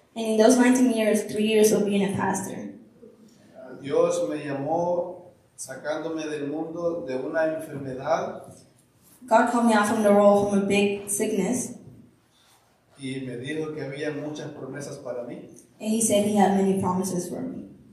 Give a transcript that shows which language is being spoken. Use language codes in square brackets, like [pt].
[en] And in those 19 years, 3 years of being a pastor. [es] Dios me llamó sacándome del mundo de una enfermedad. [en] God called me out from the world from a big sickness. [es] Y me dijo que había muchas promesas para mí. [en] And he said he had many promises for me.